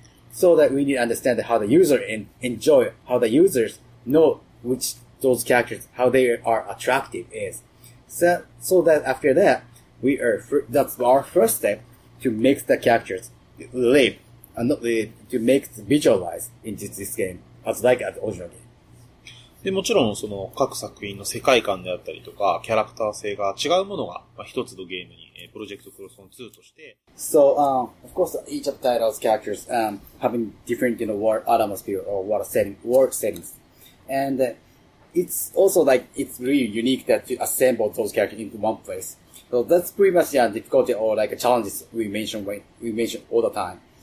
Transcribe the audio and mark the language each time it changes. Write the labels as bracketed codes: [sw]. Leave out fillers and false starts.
[en] So that we need to understand how the user and enjoy, how the users know which those characters, how they are attractive is. So that after that, that's our first step to make the characters live and not live, to make visualize into this game as like an original game. [ja] で、もちろん、その、各作品の世界観であったりとか、キャラクター性が違うものが、まあ、一つのゲームに、プロジェクトクロスオン2として。 [en] So, of course, each of the titles' characters, having different, you know, world atmosphere or world setting, world settings. And, it's also like, it's really unique that to assemble those characters into one place. So that's pretty much, yeah, difficulty or like a challenges we mentioned all the time.